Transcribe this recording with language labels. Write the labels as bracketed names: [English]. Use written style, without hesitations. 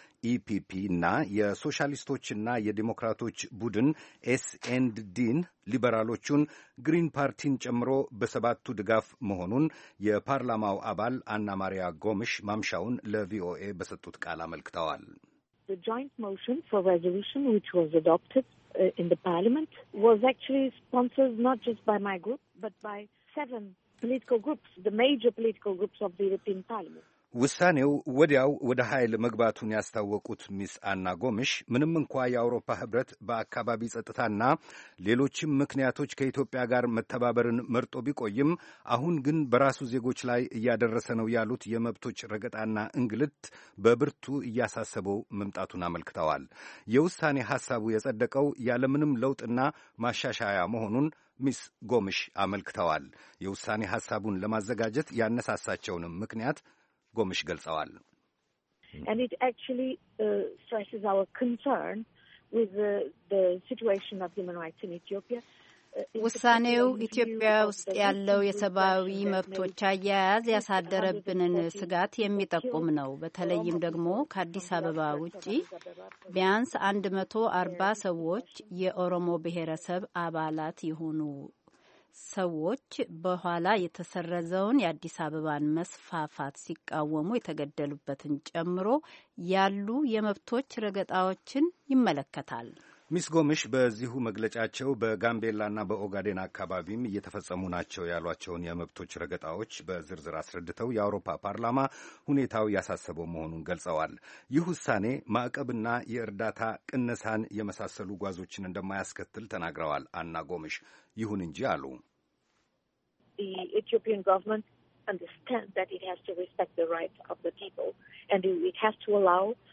[Amharic] ኢፒፒ እና የሶሻሊስቶችና የዲሞክራቶች ቡድን ኤስኤንድዲን ሊበራሎቹን ግሪን ፓርቲን ጨምሮ በሰባቱ ድጋፍ መሆኑን የፓርላማው አባል አና ማሪያ ጎምሽ ማምሻውን ለቪኦኤ በሰጡት ቃል አመልክተዋል። [English] The joint motion for resolution which was adopted in the parliament was actually sponsored not just by my group but by 7 political groups, the major political groups of the European Parliament. [Amharic] ውሳኔው ወዲያው ወደ ኃይል መግባቱን ያስታወቁት ሚስ አና ጎምሽ ምንም እንኳ የአውሮፓ ህብረት በአካባቢ ጸጥታና ሌሎችም ምክንያቶች ከኢትዮጵያ ጋር መተባበርን መርጦ ቢቆይም አሁን ግን በራሱ ዜጎች ላይ እያደረሰ ነው ያሉት የመብቶች ረገጣና እንግልት በብርቱ እያሳሰበው መምጣቱን አመልክተዋል። የውሳኔ ሐሳቡ የጸደቀው ያለምንም ለውጥና ማሻሻያ መሆኑን ሚስ ጎምሽ አመልክተዋል። የውሳኔ ሐሳቡን ለማዘጋጀት ያነሳሳቸውንም ምክንያት ጎምሽ ገልጸዋል። [English] And it actually stresses our concern with the situation of human rights in Ethiopia. [Amharic] ውሳኔው ኢትዮጵያ ውስጥ ያለው የሰብአዊ መብቶች አያያዝ ያሳደረብንን ስጋት የሚጠቁም ነው። በተለይም ደግሞ ከአዲስ አበባ ውጪ ቢያንስ 140 ሰዎች የኦሮሞ ብሔረሰብ አባላት የሆኑ ሰዎች በኋላ የተሰረዘውን የአዲስ አበባን መስፋፋት ሲቃወሙ የተገደሉበትን ጨምሮ ያሉ የመብቶች ረገጣዎችን ይመለከታል። ሚስ ጎምሽ በዚሁ መግለጫቸው በጋምቤላና በኦጋዴን አካባቢም እየተፈጸሙ ናቸው ያሏቸውን የመብቶች ረገጣዎች በዝርዝር አስረድተው የአውሮፓ ፓርላማ ሁኔታው ያሳሰበው መሆኑን ገልጸዋል። ይህ ውሳኔ ማዕቀብና የእርዳታ ቅነሳን የመሳሰሉ ጓዞችን እንደማያስከትል ተናግረዋል አና ጎምሽ። ይሁን እንጂ አሉ [English] The Ethiopian government understands that it has to respect the rights of the people and it has to allow